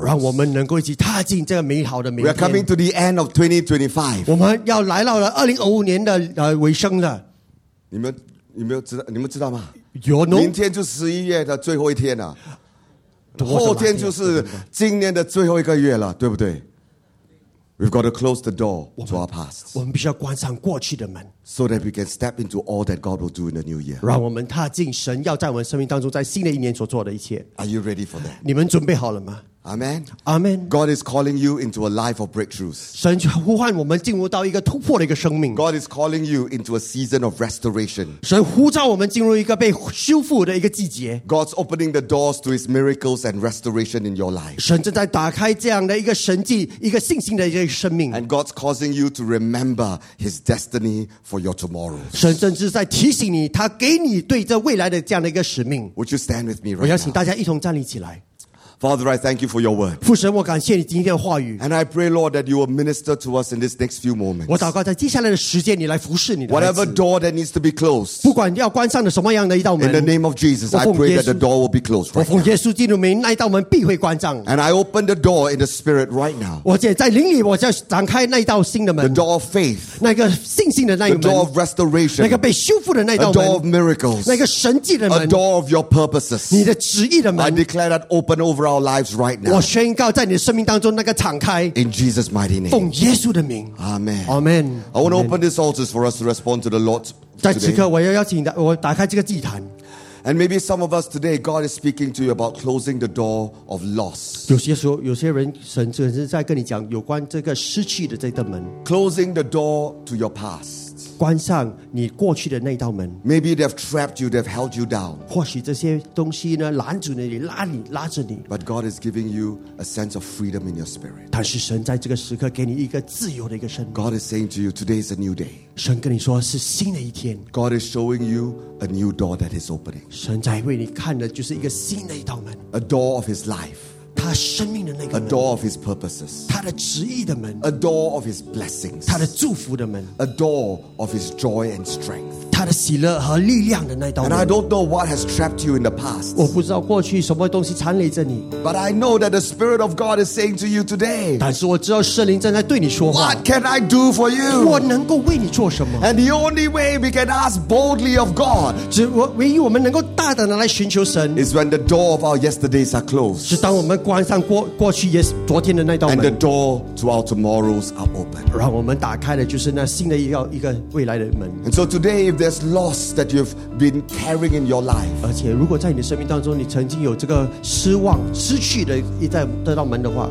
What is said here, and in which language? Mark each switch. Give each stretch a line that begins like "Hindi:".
Chinese: 让我们能够一起踏进这个美好的明天。
English: We are coming to the end of 2025.
Chinese: 我们要来到了2025年的尾声了。你们知道吗？有呢。明天就11月的最后一天了。后天就是今年的最后一个月了，对不对？
English: We've got to close the door to our past.
Chinese: 我们必须要关上过去的门。
English: So that we can step into all that God will do in the new year.
Chinese: 让我们踏进神要在我们生命当中在新的一年所做的一切。
English: Are you ready for that?
Chinese: 你们准备好了吗？
English: Amen. Amen. God is calling you into a life of breakthroughs.
Chinese: 神呼唤我们进入到一个突破的一个生命。
English: God is calling you into a season of restoration.
Chinese: 神呼召我们进入一个被修复的一个季节。
English: God's opening the doors to His miracles and restoration in your life.
Chinese: 神正在打开这样的一个神迹，一个信心的一个生命。
English: And God's causing you to remember His destiny for your tomorrow.
Chinese: 神正在提醒你，他给你对这未来的这样的一个使命。
English: Would you stand with me right now?
Chinese: 我邀请大家一同站立起来。
English: Father, I thank you for your word.
Chinese: 父神，我感谢你今天的话语。
English: And I pray, Lord, that you will minister to us in this next few moments.
Chinese: 我祷告在接下来的时间，你来服侍你的孩子。
English: Whatever door that needs to be closed,
Chinese: 不管要关上的什么样的一道门。
English: In the name of Jesus, I pray that the door will be closed right now.
Chinese: 我奉耶稣基督的名，那一道门必会关上。
English: And I open the door in the spirit right now.
Chinese: 我且在灵里，我就展开那一道新的门。
English: The door of faith,
Chinese: 那个信心的那一门。
English: The door of restoration,
Chinese: 那个被修复的那一道门。
English: A door of miracles,
Chinese: 那个神迹的门。
English: A door of your purposes,
Chinese: 你的旨意的门。
English: I declare that open over our lives right now.
Chinese: 我宣告在你的生命当中那个敞开。
English: In Jesus' mighty name.
Chinese: 奉耶稣的名。
English: Amen. Amen. I want to open these altars for us to respond to the Lord.
Chinese: 在此刻，我要邀请我打开这个祭坛。
English: And maybe some of us today, God is speaking to you about closing the door of loss.
Chinese: 有些人，神只是在跟你讲有关这个失去的这道门。
English: Closing the door to your past.
Chinese: 关上你过去的那道门。
English: Maybe they've trapped you, they've held you down.
Chinese: 或许这些东西呢，拦住你，拉着你。
English: But God is giving you a sense of freedom in your spirit.
Chinese: 但是神在这个时刻给你一个自由的一个生命。
English: God is saying to you, today is a new day.
Chinese: 神跟你说是新的一天。
English: God is showing you a new door that is opening.
Chinese: 神在为你看的就是一个新的一道门。
English: A door of His life.
Chinese: 他生命的那个门
English: a door of his purposes,
Chinese: 他的旨意的门
English: a door of his blessings,
Chinese: 他的祝福的门
English: a door of his joy and strength,
Chinese: 他的喜乐和力量的那道门
English: and I don't know what has trapped you in the past,
Chinese: 我不知道过去什么东西缠累着你
English: but I know that the spirit of God is saying to you today,
Chinese: 但是我知道圣灵正在对你说话
English: what can I do for you?
Chinese: 我能够为你做什么
English: and the only way we can ask boldly of God,
Chinese: 只唯一我们能够大胆的来寻求神
English: is when the door of our yesterdays are closed,
Chinese: 是当我们关上过去也是昨天的那道门
English: and the door to our tomorrows are open
Chinese: 让我们打开的就是那新的一个未来的门
English: and so today if there's loss that you've been carrying in your life
Chinese: 而且如果在你的生命当中你曾经有这个失望失去的一道门的话